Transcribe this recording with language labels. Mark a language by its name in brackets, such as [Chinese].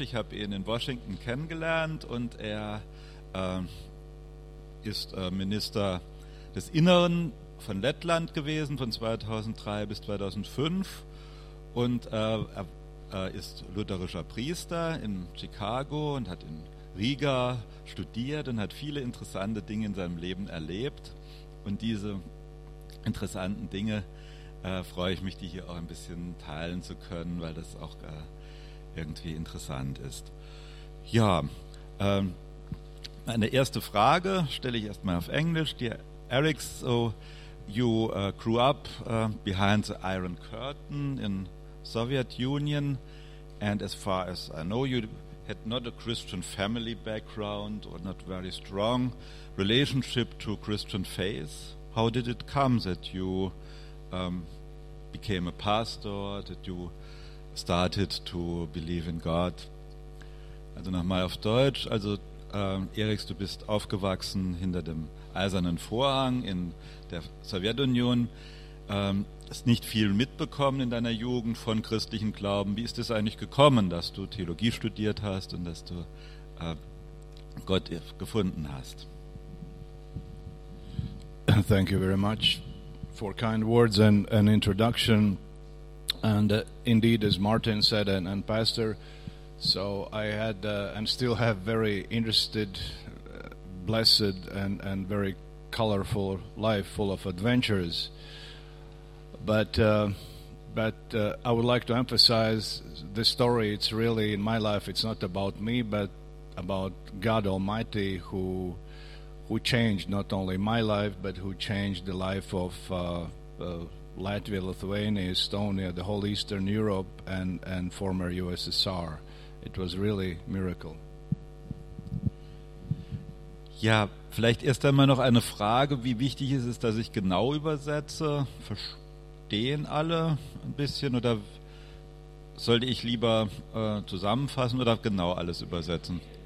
[German] Ich habe ihn in Washington kennengelernt und er ist Minister des Inneren von Lettland gewesen von 2003 bis 2005 und er ist lutherischer Priester in Chicago und hat in Riga studiert und hat viele interessante Dinge in seinem Leben erlebt. Und diese interessanten Dinge freue ich mich, die hier auch ein bisschen teilen zu können, weil das auch irgendwie interessant ist. Ja, meine erste Frage stelle ich erstmal auf Englisch. [English] Die Eric, so you grew up behind the Iron Curtain in Soviet Union, and as far as I know, you had not a Christian family background or not very strong relationship to Christian faith. How did it come that you became a pastor, that you started to believe in God? [German] Also nochmal auf Deutsch, also Eriks, du bist aufgewachsen hinter dem Eisernen Vorhang in der Sowjetunion, hast nicht viel mitbekommen in deiner Jugend von christlichem Glauben. Wie ist es eigentlich gekommen, dass du Theologie studiert hast und dass du Gott gefunden hast? [English] Thank you very much for kind words and an introduction. And indeed, as Martin said, and Pastor, so I had and still have very interested, blessed and very colorful life full of adventures. But I would like to emphasize the story. It's really in my life, it's not about me, but about God Almighty, who changed not only my life, but who changed the life of Latvia, Lithuania, Estonia, the whole Eastern Europe, and former USSR. It was really a miracle. [German] Ja, vielleicht erst einmal noch eine Frage, wie wichtig ist es, dass ich genau übersetze? Verstehen alle ein bisschen oder sollte ich lieber zusammenfassen oder genau alles übersetzen?